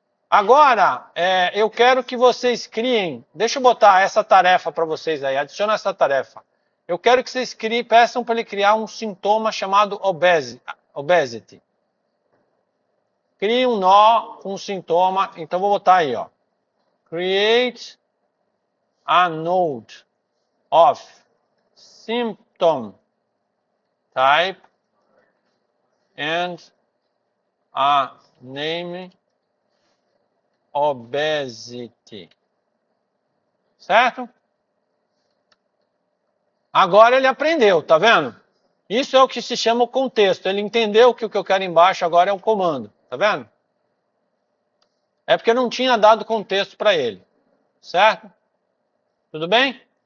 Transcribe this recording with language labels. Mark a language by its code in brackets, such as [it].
[pt] Agora, eu quero que vocês criem, deixa eu botar essa tarefa para vocês aí, adiciona essa tarefa. Eu quero que vocês criem, peçam para ele criar um sintoma chamado obesity. Crie um nó com um sintoma, então vou botar aí, ó. [en] Create a node. Of symptom type and a name obesity. [pt] Certo? Agora ele aprendeu, tá vendo? Isso é o que se chama o contexto. Ele entendeu que o que eu quero embaixo agora é um comando, tá vendo? É porque eu não tinha dado contexto para ele. Certo? Tudo bem?